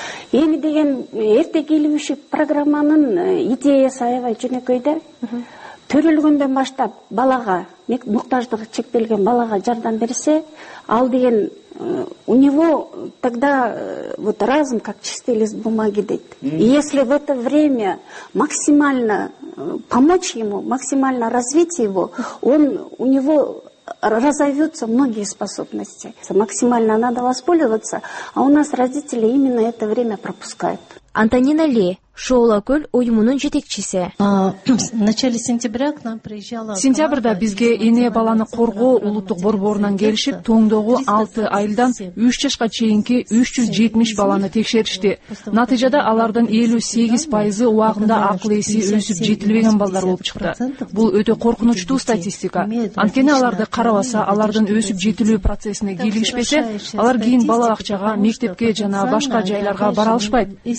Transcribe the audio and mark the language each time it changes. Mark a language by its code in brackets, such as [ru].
[ky] Эми деген эртег ийгилүүчү программанын идеясы аябай жөнөкөй да. Төрөлгөндөн баштап балага, муктаждыгы чектелген балага жардам берсе, ал деген [ru] у него тогда вот разум как чистый лист бумаги [ky] дейт. [ru] И если в это время максимально помочь ему, максимально развить его, у него разовьются многие способности. Максимально надо воспользоваться, а у нас родители именно это время пропускают. [ky] Антонина Ли, Шоолакөл уюмунун жетекчиси. [ru] Вначале сентября к нам приезжала. [ky] Сентябрда бизге эне баланы коргоо улуттук борборунан келишип, тоңдогу 6 айылдан 3 жашка чейинки 370 баланы текшеришти. Натыйжада алардын 58% убагында акыл эси өсүп жетилбеген балдар болуп чыкты. Бул өтө коркунучтуу статистика. Анткени аларды карабаса, алардын өсүп жетилүү процессине кийлигишпесе, алар кийин бала бакчага, мектепке жана башка жайларга бара алышпайт.